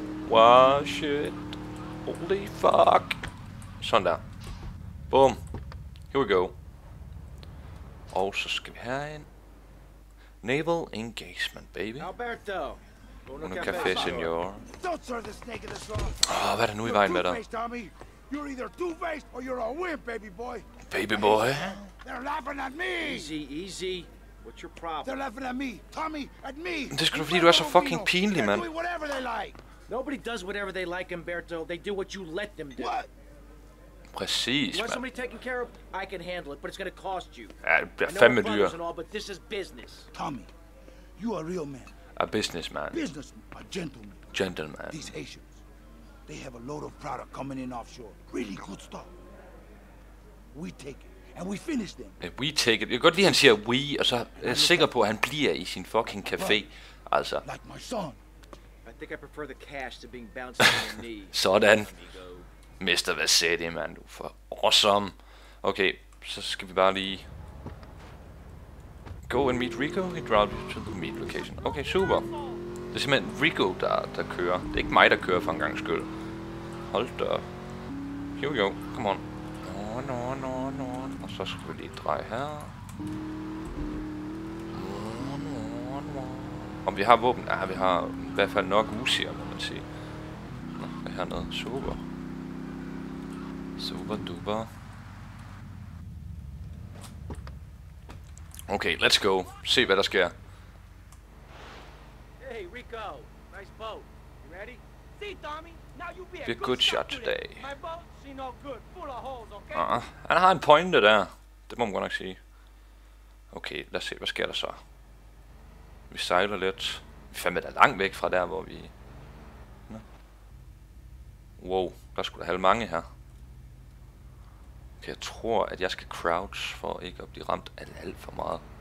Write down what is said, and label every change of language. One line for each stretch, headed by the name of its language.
English: Wow, shit. Holy fuck.
Danish: Sådan der.
English: Bum. Here we go.
Danish: Og så skal vi herind. Naval engagement, baby.
English: Alberto.
Spanish: Un café, senor.
Danish: Åh, hvad er der nu i vejen med dig?
English: You're either two-faced or you're a wimp, baby boy. Baby boy? They're laughing at me. Easy. What's your problem? They're laughing at me, Tommy, at me.
Danish: Det skulle fordi du er så fucking pinlig, man.
English: Doing whatever they like. Nobody does whatever they like, Umberto. They do what you let them do. What?
Danish: Præcis, man.
English: You want somebody taken care of? I can handle it, but it's gonna cost you.
Danish: Ja, det bliver fandme dyr.
English: All, but this is business. Tommy, you are a real man. A businessman. Businessman, a gentleman. Gentleman. These Haitians. They have a load of product coming in offshore. Really good stuff. We take it and we finish them. We take it.
Danish: Jeg kan godt lide, at han siger we, og så er jeg sikker på, at han bliver i sin fucking café. Altså.
English: Like my son. I think I prefer the cash to being bounced on your knee.
Danish: Sådan. Mr. Vassetti, man. Du er for awesome. Okay, så skal vi bare lige...
English: Go and meet Rico. He drove you to the meet location.
Danish: Okay, super. Det er simpelthen Rico, der kører. Det er ikke mig, der kører for en gang skyld. Hold da.
English: Here we go. Come on. No.
Danish: Og så skal vi lige dreje her. No. Om vi har våben? Ja, vi har i hvert fald nok usier, må man sige. Nå, hvad hernede?
English: Super duper. Okay, let's go.
Danish: Se, hvad der sker.
English: Rico, nice boat. You ready? See, Tommy, now you be a good shot today. My boat, she no good, full of holes, okay?
Danish: Han har en pointe der. Det må man godt nok sige. Okay, lad os se, hvad sker der så. Vi sejler lidt. Vi er fandme da langt væk fra der, hvor vi... Nå. Wow, der skulle sgu da mange her. Okay, jeg tror, at jeg skal crouch for ikke at blive ramt alt for meget.